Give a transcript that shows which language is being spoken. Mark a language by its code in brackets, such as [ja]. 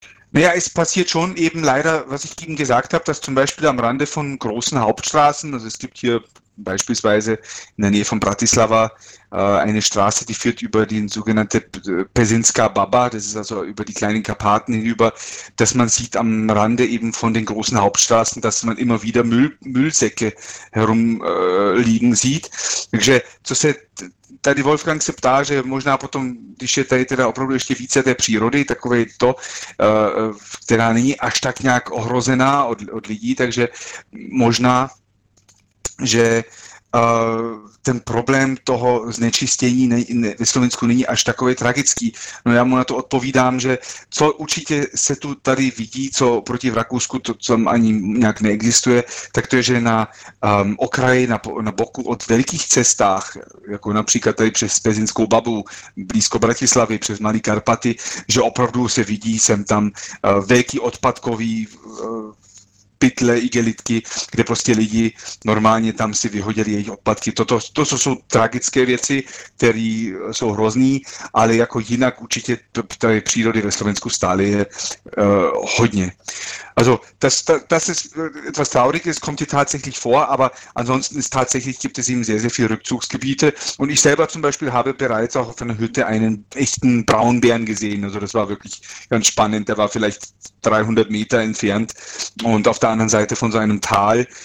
[de] Naja, es passiert schon eben leider, was ich eben gesagt habe, dass zum Beispiel am Rande von großen Hauptstraßen, also es gibt hier beispielsweise in der Nähe von Bratislava eine Straße, die führt über die sogenannte Pesinská Baba, das ist also über die kleinen Karpaten hinüber, dass man sieht am Rande eben von den großen Hauptstraßen, dass man immer wieder Müllsäcke herumliegen sieht. [cs] Takže, co se tady Wolfgang se ptá, že možná potom, když je tady teda opravdu ještě více té přírody, takové to, která není až tak nějak ohrozená od lidí, takže možná, že ten problém toho znečistění ve Slovensku není až takový tragický. No já mu na to odpovídám, že co určitě se tu tady vidí, co proti v Rakousku, to co ani nějak neexistuje, tak to je, že na okraji, na boku od velkých cestách, jako například tady přes Pezinskou Babu, blízko Bratislavy, přes Malý Karpaty, že opravdu se vidí sem tam velký odpadkový pytle, igelitky, kde prostě lidi normálně tam si vyhodili jejich odpadky. To jsou tragické věci, které jsou hrozný, ale jako jinak určitě tady přírody ve Slovensku stále je hodně. [de] Also, das ist etwas Trauriges, kommt hier tatsächlich vor, aber ansonsten ist tatsächlich, gibt es eben sehr, sehr viele Rückzugsgebiete. Und ich selber zum Beispiel habe bereits auch auf einer Hütte einen echten Braunbären gesehen. Also das war wirklich ganz spannend. Der war vielleicht 300 Meter entfernt und auf der anderen Seite von so einem Tal.